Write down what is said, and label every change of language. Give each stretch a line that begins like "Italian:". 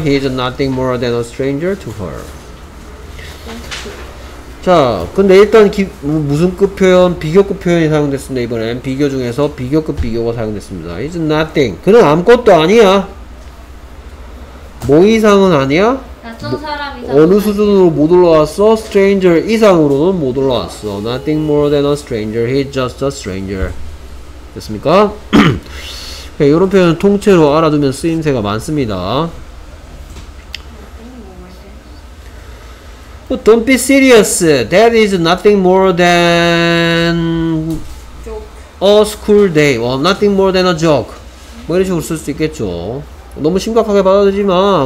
English: He is nothing more than a stranger to her.
Korean: 자, 근데 일단 무슨 급 표현, 비교급 표현이 사용됐습니다. 이번엔 비교 중에서 비교급 비교가 사용됐습니다.
English: He is nothing.
Korean: 그는 아무것도 아니야. 뭐 이상은 아니야? 낯선 사람 이상. 어느 수준으로 못 올라왔어?
English: Stranger
Korean: 이상으로는 못 올라왔어.
English: Nothing more than a stranger. He is just a stranger. 됐습니까?
Korean: 네, 이런 표현은 통째로 알아두면 쓰임새가 많습니다.
English: But don't be serious. That is nothing more than a school day. Well, nothing more than a joke.
Korean: 뭐 이런 식으로 쓸 수 있겠죠. 너무 심각하게 받아들이지 마.